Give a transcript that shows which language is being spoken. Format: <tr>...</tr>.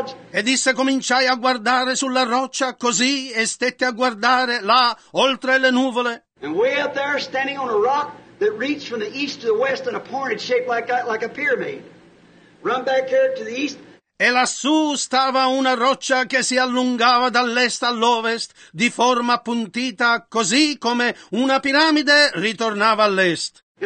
<it>E disse, cominciai a guardare sulla roccia così e stette a guardare là, oltre le nuvole.</it> <en>And way up there, standing on a rock that reached from the east to the west in a pointed shape like a pyramid. Run back here to the east.</en> <it>E lassù stava una roccia che si allungava dall'est all'ovest, di forma appuntita, così come una piramide ritornava all'est.</it>